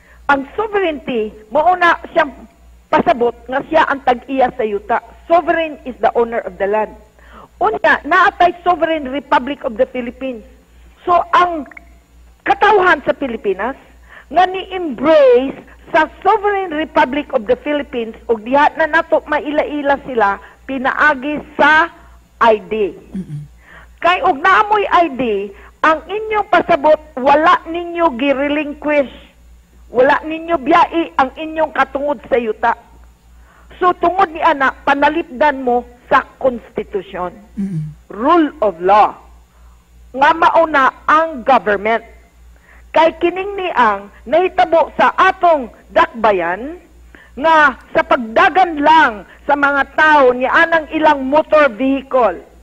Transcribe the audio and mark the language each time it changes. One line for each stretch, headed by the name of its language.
Cebuano: ang sovereignty mao na siyang pasabot nga siya ang tag-iya sa yuta.
English: Sovereign is the owner of the land.
Cebuano: Unya, naatay sovereign Republic of the Philippines. So ang katawhan sa Pilipinas nga ni-embrace sa sovereign Republic of the Philippines og diha na nato maila-ila sila pinaagi sa ID. Kay og naamoy ID, ang inyong pasabot wala ninyo girelinquish. Wala ninyo biyai ang inyong katungod sa yuta. So tungod ni ana panalipdan mo sa constitution.
English: Rule of law.
Cebuano: Nga mauna ang government. Kay kining ni ang nahitabo sa atong dakbayan nga sa pagdagan lang sa mga tao ni anang ilang motor vehicle.